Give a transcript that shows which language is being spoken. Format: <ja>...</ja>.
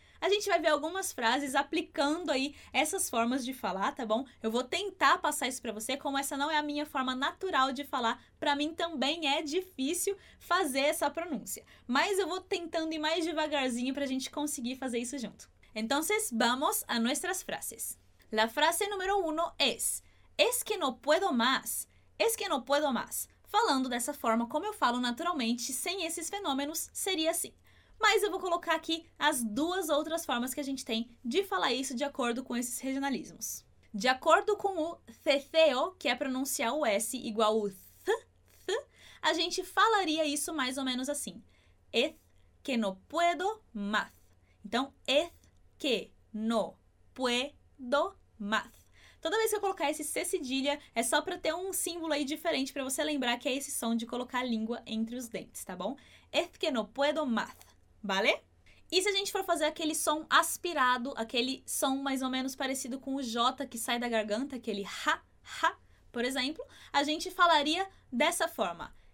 <pt>A gente vai ver algumas frases aplicando aí essas formas de falar, tá bom? Eu vou tentar passar isso pra você, como essa não é a minha forma natural de falar, pra mim também é difícil fazer essa pronúncia. Mas eu vou tentando ir mais devagarzinho pra gente conseguir fazer isso junto.</pt> <es>Entonces, vamos a nuestras frases. La frase número uno es que no puedo más. Es que no puedo más.</es> <pt>Falando dessa forma, como eu falo naturalmente, sem esses fenômenos, seria assim. Mas eu vou colocar aqui as duas outras formas que a gente tem de falar isso de acordo com esses regionalismos. De acordo com o ceceo, que é pronunciar o S igual o th, th, a gente falaría isso mais ou menos assim.</pt> <es>Es que no puedo más. Então, es que no puedo más.</es> <pt>Toda vez que eu colocar esse C cedilha, é só para ter um símbolo aí diferente para você lembrar que é esse som de colocar a língua entre os dentes, tá bom?</pt> <es>Es que no puedo más, vale?</es> <pt>E se a gente for fazer aquele som aspirado, aquele som mais ou menos parecido com o J que sai da garganta, aquele ha, ha, por exemplo, a gente falaria dessa forma.</pt>